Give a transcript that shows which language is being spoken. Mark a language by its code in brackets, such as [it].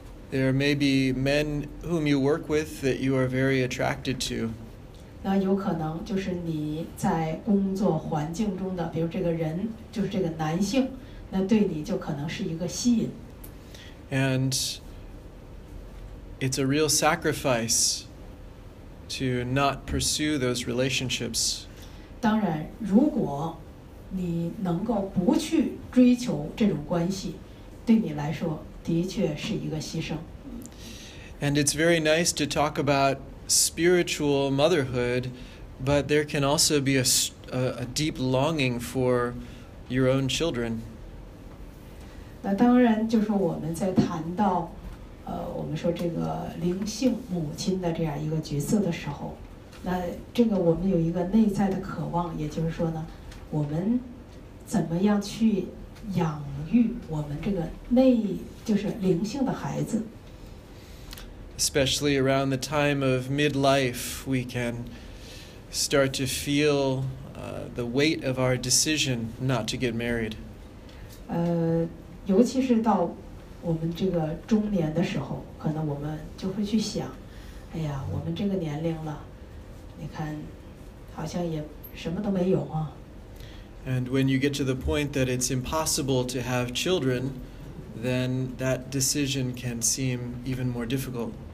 [en] There may be men whom you work with that you are very attracted to. [zh] 那有可能就是你在工作环境中的，比如这个人就是这个男性，那对你就可能是一个吸引。 [en] And it's a real sacrifice to not pursue those relationships. [zh] 当然，如果你能够不去追求这种关系，对你来说的确是一个牺牲。 [en] And it's very nice to talk about spiritual motherhood, but there can also be a deep longing for your own children. [zh] 那当然，就是我们在谈到，我们说这个灵性母亲的这样一个角色的时候，那这个我们有一个内在的渴望，也就是说呢，我们怎么样去养育我们这个内就是灵性的孩子。 [en] Especially around the time of midlife, we can start to feel the weight of our decision not to get married. [zh] 尤其是到我们这个中年的时候，可能我们就会去想，哎呀，我们这个年龄了，你看，好像也什么都没有啊。 [en] And when you get to the point that it's impossible to have children, then that decision can seem even more difficult.